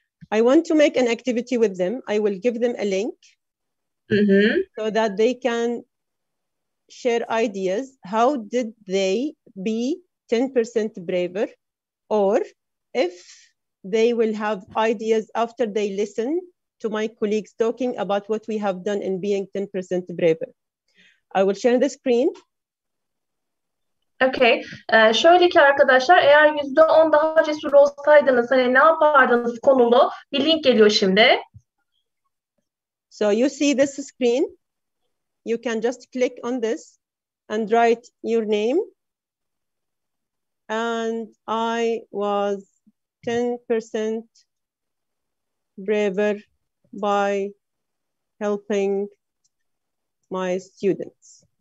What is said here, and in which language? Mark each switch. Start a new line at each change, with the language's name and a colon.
English: I want to make an activity with them. I will give them a link so that they can share ideas. How did they be 10% braver? Or if they will have ideas after they listen to my colleagues talking about what we have done in being 10% braver. I will share the screen. Okay.
Turkish: Şöyle ki arkadaşlar, eğer %10 daha cesur olsaydınız, hani ne yapardınız konulu bir link geliyor şimdi.
English: So you see this screen. You can just click on this and write your name. And I was 10% braver by helping my students.